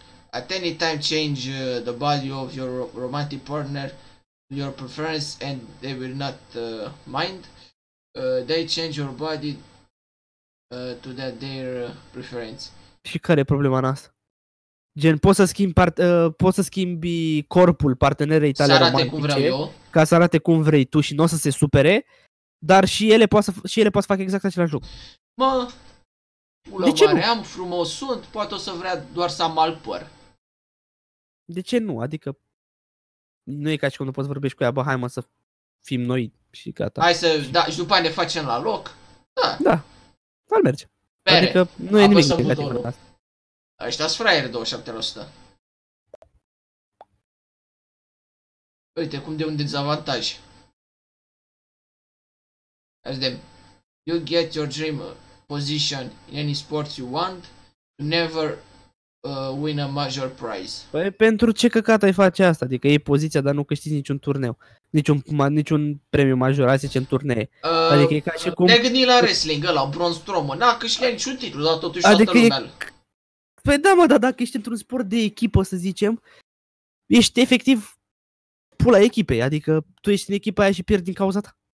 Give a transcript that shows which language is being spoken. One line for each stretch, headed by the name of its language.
English: At any time change the body of your romantic partner, your preference, and they will not mind. They change your body to that their preference.
Romanian: Și care e problema în asta? Gen, poți să schimbi corpul partenerei tale romantice cum vreau eu. Ca să arate cum vrei tu și nu o să se supere, dar și ele poate să facă exact același lucru. Mă, pulă de ce mare nu? Am, frumos sunt, poate o să vrea doar să am alt păr. De ce nu? Adică, nu e ca și cum nu poți vorbești cu ea, bă, hai mă să fim noi și gata. Hai să, da, și după aia ne facem la loc. Da, da, ar merge. Pere. Adică, nu e nimic negativ. Ăștia-s fraieri, 27%. Uite, cum de un dezavantaj.
English: You get your dream position in any sport you want, never win a major prize.
Romanian: Păi pentru ce căcat ai face asta? Adică e poziția, dar nu câștigi niciun turneu. Niciun premiu major, hai să zicem turnee. Adică e ca și cum... Ne gândim la wrestling ăla, Braun Strowman, n-a câștigat niciun titlu, dar totuși adică toată lumea. Păi da, mă, dar dacă ești într-un sport de echipă, să zicem, ești efectiv pula echipei, adică tu ești în echipa aia și pierzi din cauza ta.